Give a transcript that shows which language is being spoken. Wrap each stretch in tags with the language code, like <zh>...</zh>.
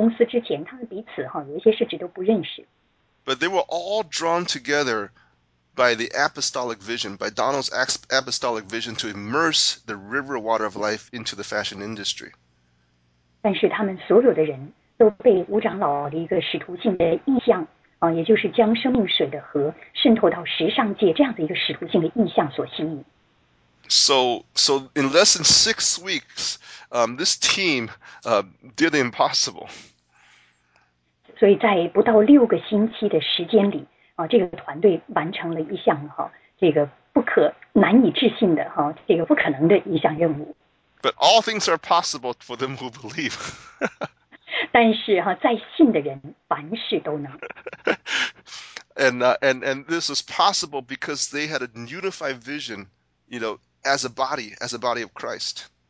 <zh>而且甚至上在他们被这个带到吴长老这个公司之前，他们彼此有一些甚至都不认识。</zh> <en>But they were all drawn together by the apostolic vision, by Donald's apostolic vision to immerse the river water of life into the fashion industry.</en> <zh>但是他们所有的人都被吴长老的一个使徒性的意象，也就是将生命水的河渗透到时尚界这样的一个使徒性的意象所吸引。</zh> <en>So in less than 6 weeks, this team did the impossible.</en> <zh>所以在不到6个星期的时间里，这个团队完成了一项这个不可难以置信的这个不可能的一项任务。</zh> <en>But all things are possible for them who believe.</en> <zh>但是在信的人凡事都能。</zh> <en>And this was possible because they had a unified vision, you know, as a body of Christ.</en>